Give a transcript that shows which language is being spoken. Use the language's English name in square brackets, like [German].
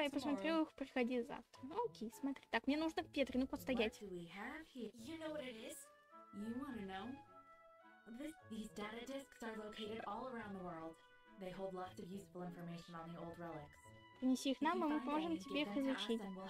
[Russian] Я посмотрю их, приходи завтра. Окей, смотри. Так, мне нужно к Петре, ну постоять. [English] What do we have here? You know what it is? You wanna know? These data disks are located all around the world. They hold lots of useful information on the old relics. [Russian] Принеси их нам, и мы поможем тебе их изучить.